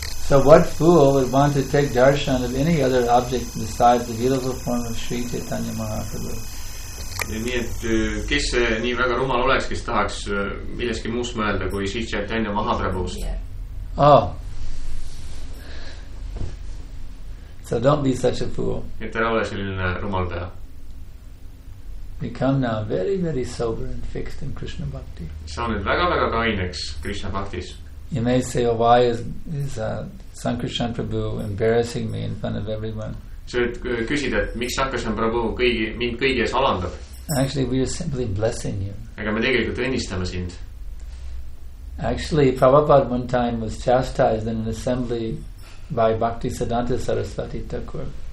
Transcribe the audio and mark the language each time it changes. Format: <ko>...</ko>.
<en>So what fool would want to take darshan of any other object besides the beautiful form of Sri Chaitanya Mahaprabhu?</en> <et>Nii et kes nii väga rumal oleks, kes tahaks milleski muus mõelda kui Sri Chaitanya Mahaprabhust? Oh.</et> <en>So don't be such a fool.</en> <et>Et ära ole selline rumal pea.</et> <en>Become now very, very sober and fixed in Krishna Bhakti.</en> <et>Sa oled väga, väga kaineks Krishna Bhaktis.</et> <en>You may say, oh, why is Sankarshan Prabhu embarrassing me in front of everyone?</en> <et>Sa võid küsida, et miks Sankarshan Prabhu mind kõiges alandab?</et> <en>Actually, we are simply blessing you.</en> <et>Aga me tegelikult õnnistame sind.</et> <en>Actually, Prabhupada one time was chastised in an assembly by Bhakti Siddhanta Sarasvati Thakur.</en>